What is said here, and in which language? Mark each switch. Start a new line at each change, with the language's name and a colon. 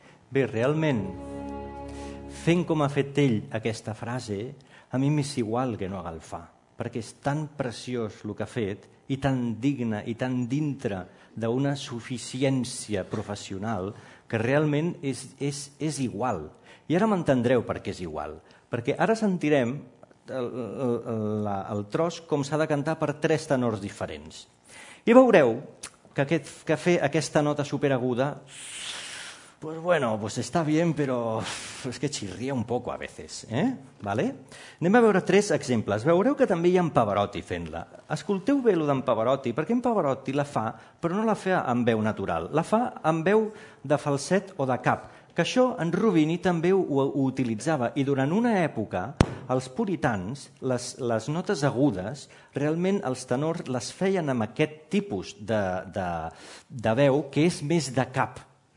Catalan: Bé, realment, fent com ha fet ell aquesta frase, a mi m'és igual que no agafa, perquè és tan preciós el que ha fet i tan digne i tan dintre d'una suficiència professional que realment és igual. I ara m'entendreu per què és igual. Perquè ara sentirem, el tros com s'ha de cantar per tres tenors diferents. I veureu que aquest que fer aquesta nota superaguda,
Spanish: pues bueno, pues está bien, pero es que chirría un poco a veces, ¿eh?
Catalan: ¿Vale? Anem a veure tres exemples. Veureu que també hi ha en Pavarotti fent-la. Escolteu bé lo d'en Pavarotti, perquè en Pavarotti la fa, però no la fa amb veu natural. La fa amb veu de falset o de cap, que això en Rubini també ho utilitzava. I durant una època, els puritans, les notes agudes, realment els tenors les feien amb aquest tipus de veu, que és més de cap.